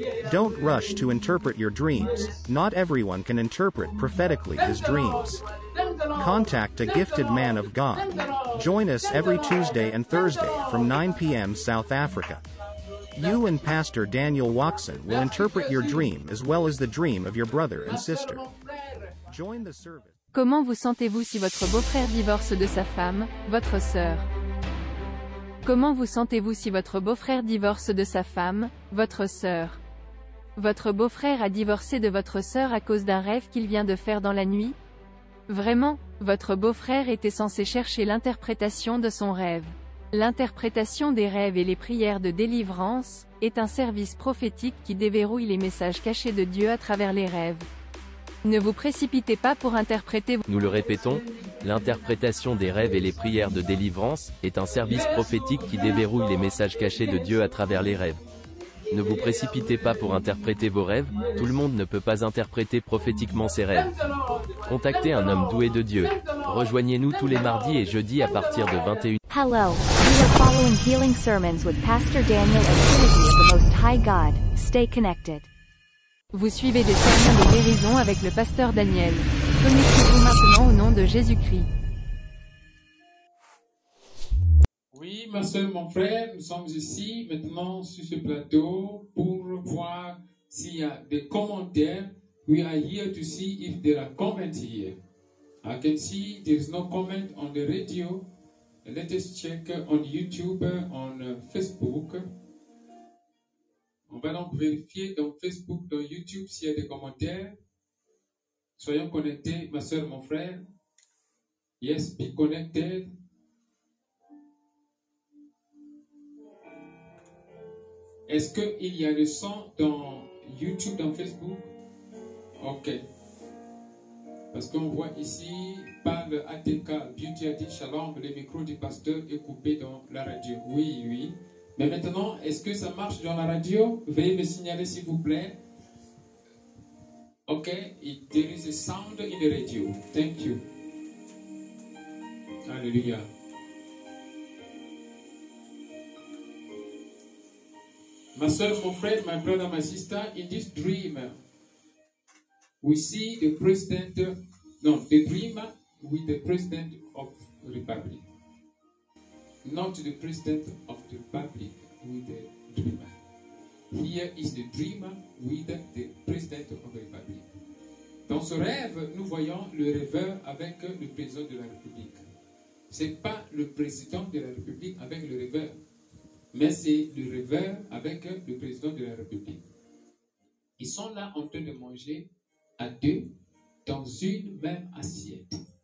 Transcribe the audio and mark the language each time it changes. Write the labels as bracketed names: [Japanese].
[English] Don't rush to interpret your dreams. Not everyone can interpret prophetically his dreams. Contact a gifted man of God. Join us every Tuesday and Thursday from 9 p.m. South Africa. You and Pastor Daniel Watson will interpret your dream as well as the dream of your brother and sister. Join the service. [French] Comment vous sentez-vous si votre beau-frère divorce de sa femme, votre sœur? Comment vous sentez-vous si votre beau-frère divorce de sa femme, votre sœur? Votre beau-frère a divorcé de votre sœur à cause d'un rêve qu'il vient de faire dans la nuit? Vraiment, votre beau-frère était censé chercher l'interprétation de son rêve. L'interprétation des rêves et les prières de délivrance est un service prophétique qui déverrouille les messages cachés de Dieu à travers les rêves. Ne vous précipitez pas pour interpréter. Nous le répétons, l'interprétation des rêves et les prières de délivrance est un service prophétique qui déverrouille les messages cachés de Dieu à travers les rêves. Ne vous précipitez pas pour interpréter vos rêves, tout le monde ne peut pas interpréter prophétiquement ses rêves. Contactez un homme doué de Dieu. Rejoignez-nous tous les mardis et jeudis à partir de 21h. [English] Hello, we are following healing sermons with Pastor Daniel and the Most High God. Stay connected. [French] Vous suivez des sermons de guérison avec le pasteur Daniel. Connectez-vous maintenant au nom de Jésus-Christ. Oui, ma soeur, mon frère, nous sommes ici maintenant sur ce plateau pour voir s'il y a des commentaires. [English] We are here to see if there are comments here. I can see there is no comment on the radio. Let us check on YouTube, on Facebook. [French] On va donc vérifier dans Facebook, dans YouTube, s'il y a des commentaires. Soyons connectés, ma soeur, mon frère. Yes, be connected. Est-ce qu'il y a le son dans YouTube, dans Facebook? Ok. Parce qu'on voit ici, par le ATK, Beauty a dit shalom, le micro du pasteur est coupé dans la radio. Oui, oui. Mais maintenant, est-ce que ça marche dans la radio? Veuillez me signaler, s'il vous plaît. [English] Ok, there is a sound in the radio. Thank you. [French] Alléluia. [English] Ma soeur, mon frère, my brother, my sister, in this dream, we see the president, the dream with the president of the republic. Not the president of the republic with the dreamer. Here is the dreamer with the president of the republic. [French] Dans ce rêve, nous voyons le rêveur avec le président de la République. Ce n'est pas le président de la République avec le rêveur, mais c'est le rêveur avec le président de la République. Ils sont là en train de manger à deux dans une même assiette.